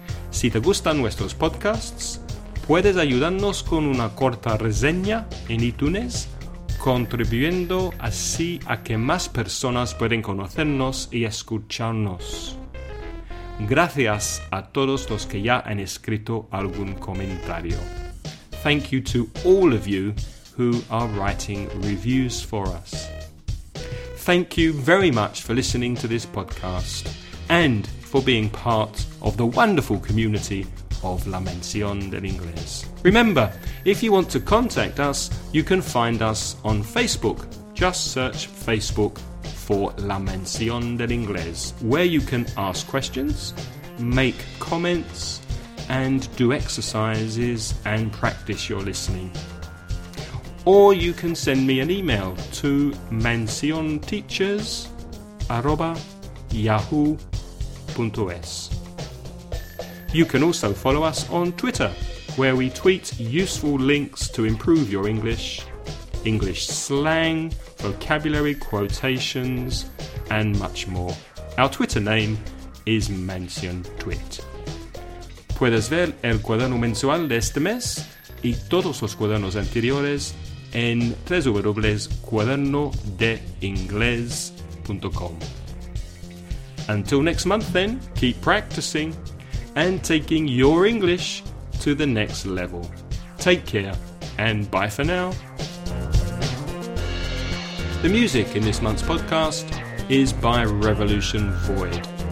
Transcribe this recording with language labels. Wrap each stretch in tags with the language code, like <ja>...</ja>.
<es>Si te gustan nuestros podcasts, puedes ayudarnos con una corta reseña en iTunes, contribuyendo así a que más personas pueden conocernos y escucharnos. Gracias a todos los que ya han escrito algún comentario.</es> <en>Thank you to all of you who are writing reviews for us. Thank you very much for listening to this podcast and for being part of the wonderful community of La Mención del Inglés. Remember, if you want to contact us, you can find us on Facebook. Just search Facebook for La Mención del Inglés, where you can ask questions, make comments, and do exercises and practice your listening. Or you can send me an email to mencionteachers@yahoo.es. You can also follow us on Twitter, where we tweet useful links to improve your English, English slang, vocabulary, quotations, and much more. Our Twitter name is MencionTweet.</en> <es>Puedes ver el cuaderno mensual de este mes y todos los cuadernos anteriores en www.cuadernodeingles.com.</es> <en>Until next month then, keep practicing and taking your English to the next level. Take care and bye for now. The music in this month's podcast is by Revolution Void.</en>